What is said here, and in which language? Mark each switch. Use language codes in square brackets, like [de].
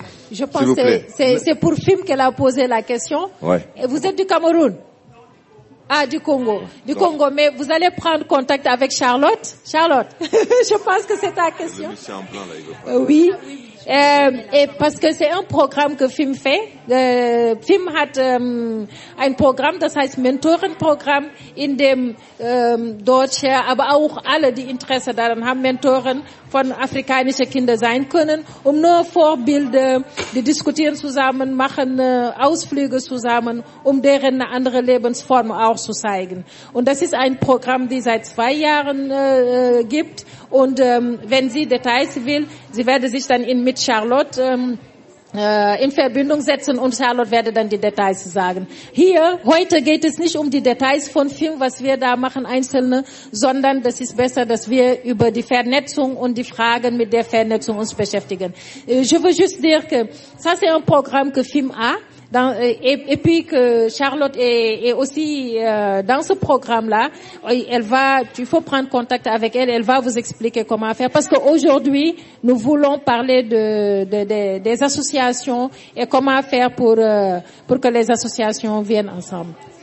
[fr] Je pense que c'est pour Fim qu'elle a posé la question. Ouais. Vous êtes du Cameroun? Ah, du Congo. Du Congo, mais vous allez prendre contact avec Charlotte. Charlotte, je pense que c'est ta question. C'est en plein, là, il veut parler. Oui. Et parce que c'est un programme que Fim fait. Fim a un programme, [de] das heißt Mentorenprogramme, in dem Deutsche, aber auch alle, die Interesse daran haben, Mentoren von afrikanischen Kindern sein können, um nur Vorbilder, die diskutieren zusammen, machen Ausflüge zusammen, um deren andere Lebensform auch zu zeigen. Und das ist ein Programm, die seit 2 Jahren gibt. Und wenn sie Details will, sie werde sich dann mit Charlotte in Verbindung setzen und Charlotte werde dann die Details sagen. Hier, heute geht es nicht um die Details von Film, was wir da machen, einzelne, sondern das ist besser, dass wir über die Vernetzung und die Fragen mit der Vernetzung uns beschäftigen. [fr] Je veux juste dire que ça c'est un programme que Film a. Dans, et puis que Charlotte est aussi dans ce programme-là, elle va, il faut prendre contact avec elle, elle va vous expliquer comment faire. Parce qu'aujourd'hui, nous voulons parler des associations et comment faire pour que les associations viennent ensemble.